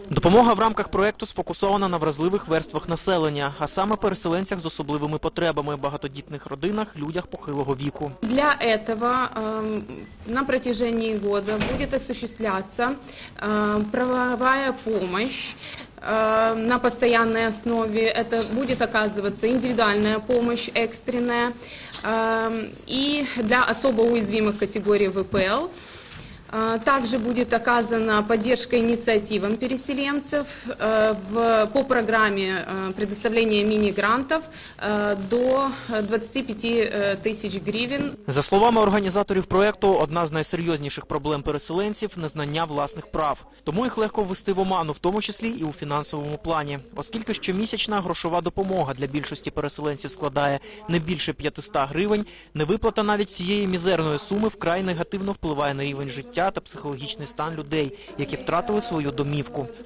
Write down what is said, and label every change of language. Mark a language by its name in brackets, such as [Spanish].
[Ukrainian] Допомога в рамках проєкту сфокусована на вразливих верствах населення, а саме переселенцях з особливими потребами, багатодітних родинах, людях похилого віку. Для цього на протягом року [Russian] буде осуществляться [Ukrainian] правова допомога [Russian] на постоянной основе, это будет оказываться индивидуальная помощь экстренная и для особо уязвимых категорий ВПЛ. Также будет оказана поддержка инициативам переселенцев по программе предоставления мини-грантов до 25 тисяч гривен. [Ukrainian] За словами організаторів проекту, одна з найсерйозніших проблем переселенців – незнання власних прав. Тому їх легко ввести в оману, в тому числі і у фінансовому плані. Оскільки щомісячна грошова допомога для більшості переселенців складає не більше 500 гривень, невиплата навіть цієї мізерної суми вкрай негативно впливає на рівень життя та психологічний стан людей, які втратили свою домівку.